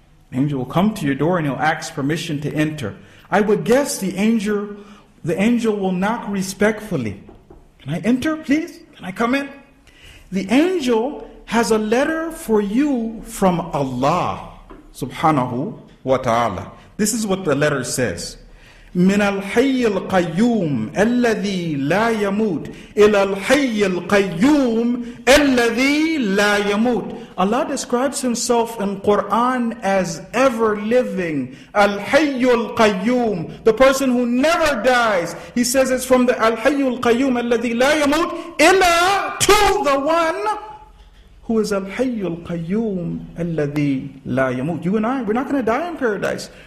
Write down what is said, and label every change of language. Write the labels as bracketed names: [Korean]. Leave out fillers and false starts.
[English] An angel will come to your door and he'll ask permission to enter. I would guess the angel will knock respectfully. Can I enter, please? Can I come in? The angel has a letter for you from Allah, subhanahu wa ta'ala. This is what the letter says. [Arabic] مِنَ الْحَيِّ الْقَيُّومِ الَّذِي لَا يَمُوتِ إِلَى الْحَيِّ الْقَيُّومِ الَّذِي لَا يَمُوتِ [English] Allah describes Himself in Quran as ever-living. [Arabic] الْحَيُّ الْقَيُّومِ [English] The person who never dies. He says it's from the [Arabic] الْحَيُّ الْقَيُّومِ الَّذِي لَا يَمُوتِ إِلَى [English] To the one who is [Arabic] الْحَيُّ الْقَيُّومِ الَّذِي لَا يَمُوتِ [English] You and I, we're not going to die in paradise.